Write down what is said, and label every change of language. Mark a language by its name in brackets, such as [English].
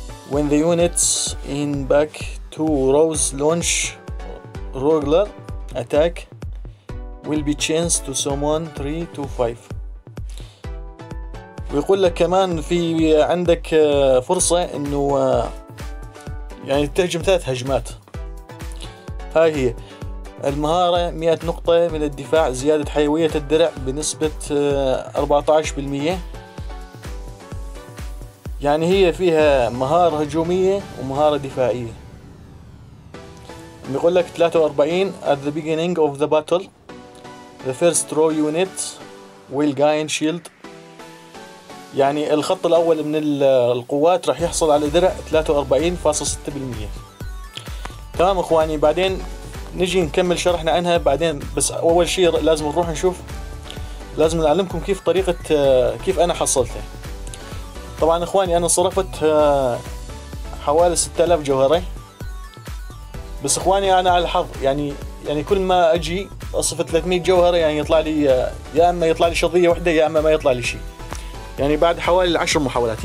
[English] When the units in back two rows launch regular attack will be chance to summon 3 to 5. [Arabic] ويقول لك كمان في عندك فرصة انه يعني تهجم 3 هجمات. هاي هي المهارة، 100 نقطة من الدفاع، زيادة حيوية الدرع بنسبة 14%. يعني هي فيها مهارة هجومية ومهارة دفاعية. بيقول لك 43 [English] at the beginning of the battle the first row unit will gain shield، [Arabic] يعني الخط الأول من القوات راح يحصل على درع 43.6%. تمام اخواني، بعدين نجي نكمل شرحنا عنها بعدين، بس أول شيء لازم نروح نشوف، لازم نعلمكم كيف طريقة كيف أنا حصلتها. طبعا اخواني انا صرفت حوالي 6000 جوهرة، بس اخواني انا على الحظ، يعني كل ما اجي اصف 300 جوهرة يعني يطلع لي، يا اما يطلع لي شظية واحدة يا اما ما يطلع لي شيء، يعني بعد حوالي 10 محاولات.